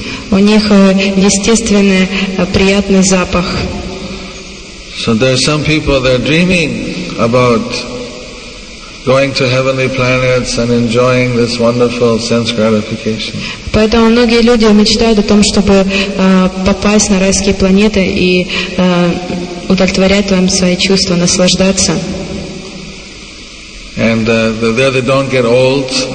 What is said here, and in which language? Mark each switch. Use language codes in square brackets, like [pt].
[ru] У них естественный приятный запах. [en] So there are some people that are dreaming about going to heavenly planets and enjoying this wonderful sense gratification. [ru] Поэтому многие люди мечтают о том, чтобы попасть на райские планеты и удовлетворять свои чувства, наслаждаться. [en] And there they don't get old.